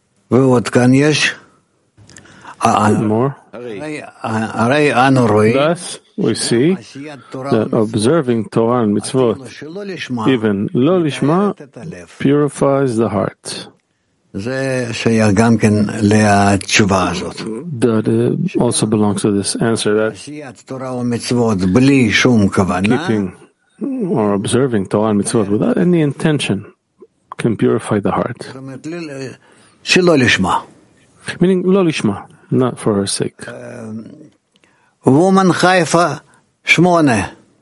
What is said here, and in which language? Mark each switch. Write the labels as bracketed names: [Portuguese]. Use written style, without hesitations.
[Hebrew] ועוד כאן יש הרי אנו רואים [English] Thus, we see that observing Torah and Mitzvot even לא לשמה purifies the heart. [Hebrew] זה שייך גם כן לתשובה הזאת. [English] That also belongs to this answer that [Hebrew] עשיית תורה ומצוות בלי שום כוונה [English] keeping or observing Torah and Mitzvot without any intention can purify the heart. [Hebrew] שלא לשמה. [English] Meaning, לא לשמה, not for her sake. Woman Haifa, שמונה.